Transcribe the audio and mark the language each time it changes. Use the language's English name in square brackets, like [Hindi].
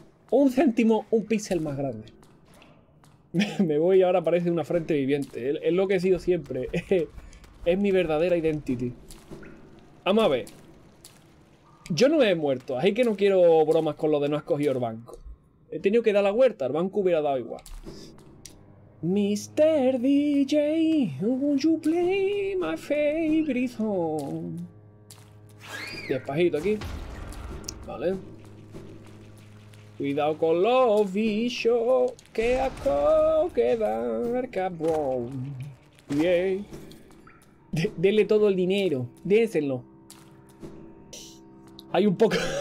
[Spanish] Un céntimo, un píxel más grande. Me voy y ahora aparece una frente viviente. Es lo que he sido siempre. Es mi verdadera identity. Vamos a ver. Yo no me he muerto, así que no quiero bromas con lo de no has cogido el banco. He tenido que dar la vuelta, el banco hubiera dado igual. [English] Mr. DJ, would you play my favorite song? [Spanish] Despacito aquí. Vale. Cuidado con los bichos que asco quedan, cabrón. Bien. Denle todo el dinero. Dénselo. Hay un poco.